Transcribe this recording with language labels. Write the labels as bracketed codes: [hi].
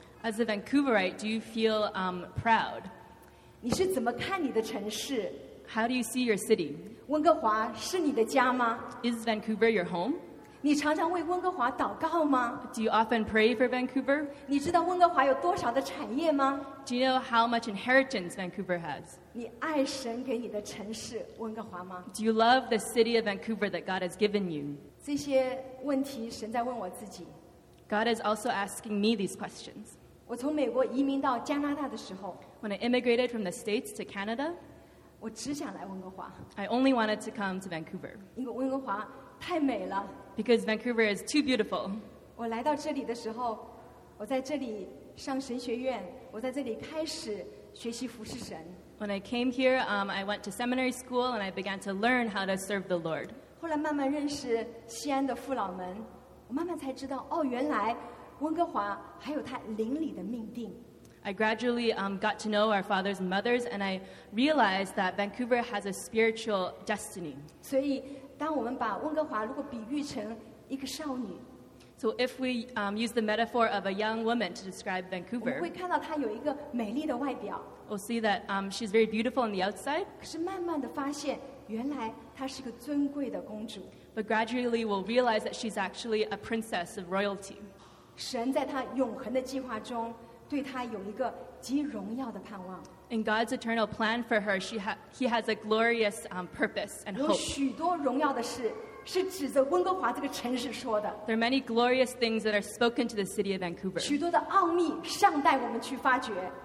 [en] As a Vancouverite, do you feel proud? [zh] 你是怎么看你的城市？ [en] How do you see your city? [zh] 温哥华是你的家吗？ [en] Is Vancouver your home? [zh] 你常常为温哥华祷告吗？ [en] Do you often pray for Vancouver? [zh] 你知道温哥华有多少的产业吗？ [en] Do you know how much inheritance Vancouver has? [zh] 你爱神给你的城市温哥华吗？ [en] Do you love the city of Vancouver that God has given you? [zh] 这些问题神在问我自己。 [en] God is also asking me these questions. [zh] 我从美国移民到加拿大的时候， [en] When I immigrated from the States to Canada, [zh] 我只想来温哥华。 [en] I only wanted to come to Vancouver. [zh] 因为温哥华太美了。 [en] Because Vancouver is too beautiful. [zh] 我来到这里的时候， 我在这里上神学院， 我在这里开始学习服侍神。 [en] When I came here, I went to seminary school and I began to learn how to serve the Lord. [zh] 后来慢慢认识西安的父老们。我慢慢才知道，哦，原来温哥华还有它邻里的命定。 [en] I gradually got to know our fathers and mothers, and I realized that Vancouver has a spiritual destiny. [zh] 所以，当我们把温哥华如果比喻成一个少女， [en] So if we use the metaphor of a young woman to describe Vancouver, [zh] 我们会看到她有一个美丽的外表。 [en] We'll see that she's very beautiful on the outside. [zh] 可是慢慢地发现，原来她是个尊贵的公主。 [en] But gradually, we'll realize that she's actually a princess of royalty. [zh] 神在她永恒的计划中。 [en] In God's eternal plan for her, he has a glorious purpose and hope. There are many glorious things that are spoken to the city of Vancouver.